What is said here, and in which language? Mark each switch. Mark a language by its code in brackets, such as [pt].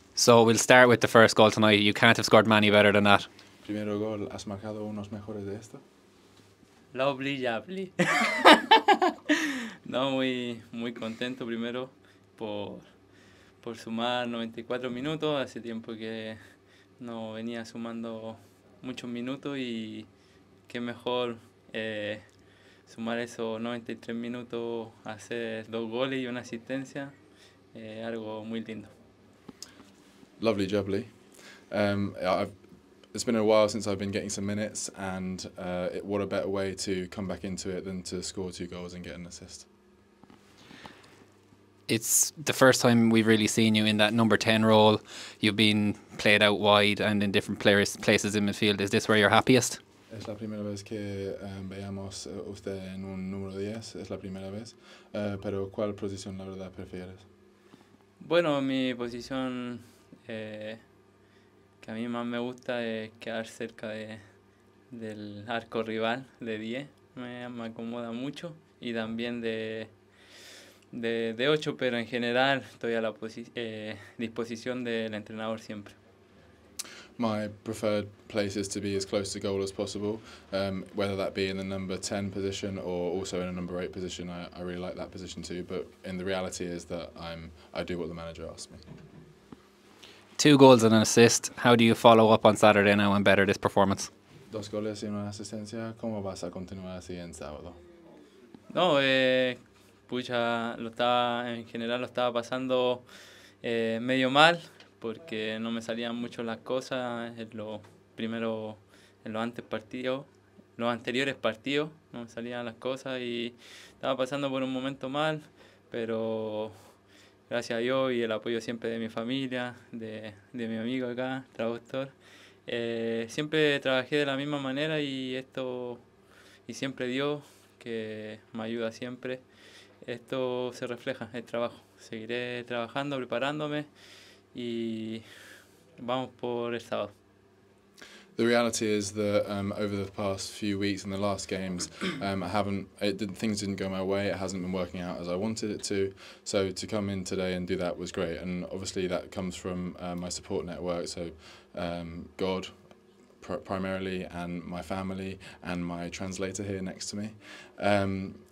[en] So we'll start with the first goal tonight. You can't have scored many better than that. [es] Primero gol, has marcado unos mejores de esto. [en] Lovely, lovely. [es] No, muy, muy contento primero por sumar 94 minutos. Hace tiempo que no venía sumando muchos minutos y qué mejor sumar esos 93 minutos, hacer dos goles y una asistencia, algo muy lindo. [en] Lovely, jubbly. It's been a while since I've been getting some minutes, and what a better way to come back into it than to score two goals and get an assist. It's the first time we've really seen you in that number 10 role. You've been played out wide and in different places in midfield. Is this where you're happiest? [es] Es la primera vez que veamos usted en un número 10. Es la primera vez. Pero ¿cuál posición la verdad prefieres? Bueno, mi posición que a mí más me gusta es quedar cerca del arco rival de 10. Me acomoda mucho y también de 8, pero en general estoy a la disposición del entrenador siempre. [en] My preferred place is to be as close to goal as possible, whether that be in the number 10 position or also in a number 8 position. I really like that position too, but in the reality is that I do what the manager asks me. Two goals and an assist. How do you follow up on Saturday now and better this performance? [es] Dos goles y una asistencia. ¿Cómo vas a continuar así en sábado? No, pucha, en general lo estaba pasando medio mal, porque no me salían mucho las cosas en los anteriores partidos, no me salían las cosas y estaba pasando por un momento mal, pero gracias a Dios y el apoyo siempre de mi familia, de mi amigo acá, traductor, siempre trabajé de la misma manera y siempre Dios, que me ayuda siempre, esto se refleja en el trabajo. Seguiré trabajando, preparándome, y vamos por el sábado. [en] The reality is that over the past few weeks and the last games, things didn't go my way. It hasn't been working out as I wanted it to. So to come in today and do that was great. And obviously that comes from my support network. So God, primarily, and my family, and my translator here next to me.